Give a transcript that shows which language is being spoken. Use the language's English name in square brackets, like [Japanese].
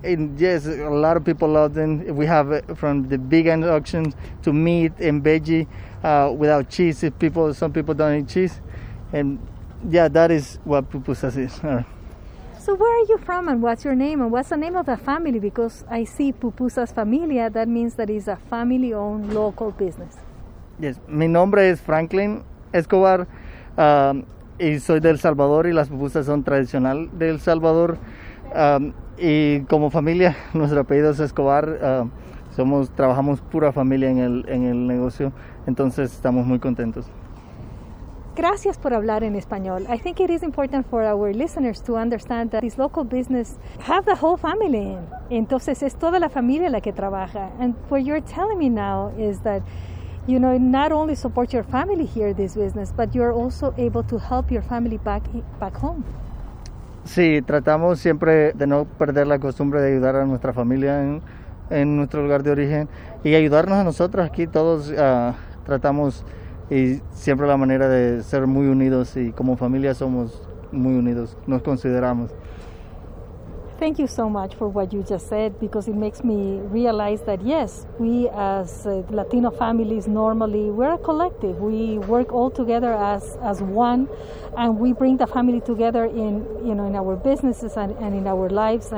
[English] And yes, a lot of people love them. We have it from the vegan options to meat and veggie without cheese. Some people don't eat cheese. And yeah, that is what pupusas is. So where are you from and what's your name and what's the name of the family? Because I see Pupusas Familia, that means that it's a family-owned local business. [Spanish] Yes, mi nombre es Franklin Escobar, y soy de El Salvador y las pupusas son tradicional de El Salvador. Y como familia, nuestro apellido es Escobar, trabajamos pura familia en el negocio, entonces estamos muy contentos. Gracias por hablar en español. [English] I think it is important for our listeners to understand that this local business have the whole family in. [Spanish] Entonces, es toda la familia la que trabaja. [English] And what you're telling me now is that you know, not only support your family here, this business, but you're also able to help your family back home. [Spanish] Sí, tratamos siempre de no perder la costumbre de ayudar a nuestra familia en nuestro lugar de origen y ayudarnos a nosotros aquí todos. Tratamos y siempre la manera de ser muy unidos y como familia somos muy unidos, nos consideramos. [English] Thank you so much for what you just said, because it makes me realize that, yes, we as Latino families normally, we're a collective. We work all together as one, and we bring the family together in, you know, in our businesses and in our lives.